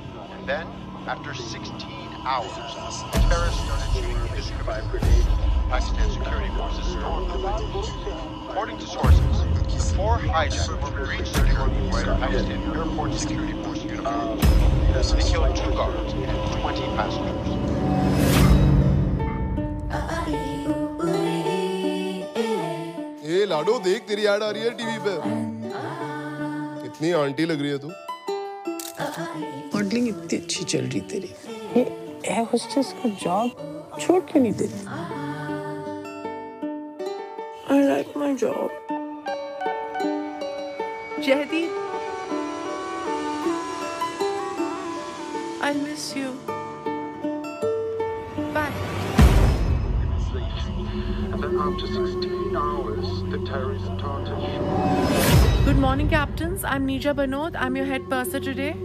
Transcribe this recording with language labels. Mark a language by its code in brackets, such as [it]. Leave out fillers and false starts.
[en] And then, after 16 hours, terrorists started shooting indiscriminately. Pakistan security forces stormed the plane. According to sources, the four hijackers breached security by Pakistan Airport Security Force uniforms. They killed two guards and 20 passengers. [hi] ये लाडो देख तेरी add आ रही है TV पे इतनी anti log रही है तू मॉडलिंग इतनी अच्छी चल रही तेरी ये एयर होस्टेस का जॉब छोड़ क्यों नहीं देती [en] I like my job जेहदी I miss you bye After 16 hours, the terrorists taunted. Good morning, captains. I'm Neerja Banod. I'm your head purser today.